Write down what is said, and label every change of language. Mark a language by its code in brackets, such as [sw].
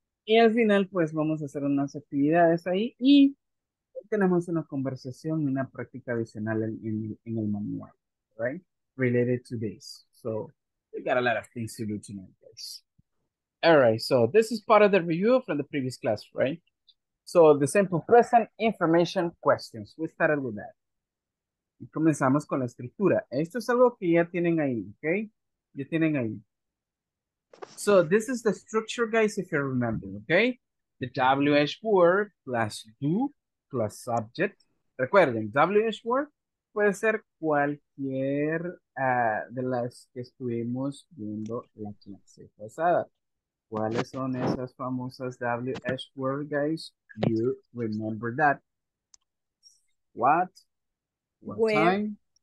[es] Y al final, pues, vamos a hacer unas actividades ahí y tenemos una conversación y una práctica adicional en el manual, right? [en] Related to this. So, we got a lot of things to do tonight, guys. All right, so this is part of the review from the previous class, right? So, the simple present information questions. We started with that. [es] Y comenzamos con la estructura. Esto es algo que ya tienen ahí, okay? Ya tienen ahí. [en] So, this is the structure, guys, if you remember, okay? The WH word plus do plus subject. [es] Recuerden, WH word puede ser cualquier de las que estuvimos viendo la clase pasada. ¿Cuáles son esas famosas WH word, guys? [en] You remember that. What? What where? Time?